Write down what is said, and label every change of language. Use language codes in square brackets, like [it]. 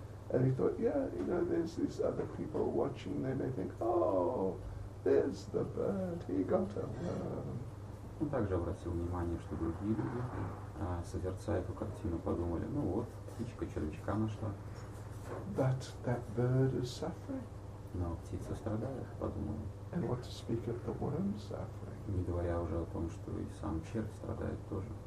[en] And he thought, yeah, you know, there's these other people watching them. They think, oh, there's the bird. He got a worm. [ru] Он также обратил внимание, что другие люди, созерцая эту картину, подумали, ну вот, птичка червячка нашла. [en] But that bird is suffering. [ru] Но птица страдает, подумали. [en] And what to speak of the worm suffering. [ru] Не говоря уже о том, что и сам червь страдает тоже.